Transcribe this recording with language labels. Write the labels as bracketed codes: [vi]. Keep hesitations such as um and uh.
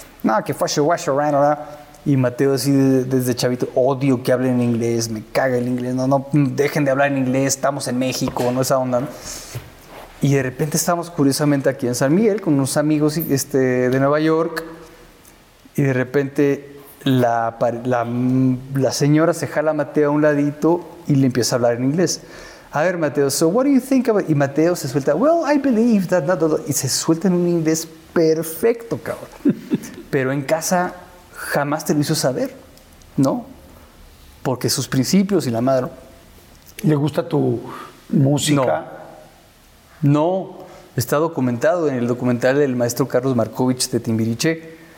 [es] No, que fue washer, Y Mateo así de- desde chavito, odio que hablen inglés, me caga el inglés, no, no, dejen de hablar en inglés, estamos en México, no esa onda, ¿no? Y de repente estamos curiosamente aquí en San Miguel con unos amigos este, de Nueva York y de repente la, pare- la- la señora se jala a Mateo a un ladito y le empieza a hablar en inglés. A ver, [en] Mateo, so what do you think about... [es] Y Mateo se suelta, [en] well, I believe that... that, that, that", [es] y se suelta en un inglés perfecto, cabrón. Pero en casa jamás te lo hizo saber, ¿no? Porque sus principios y la madre... ¿Le gusta tu música? No, está documentado en el documental del maestro Carlos Markovich de Timbiriche.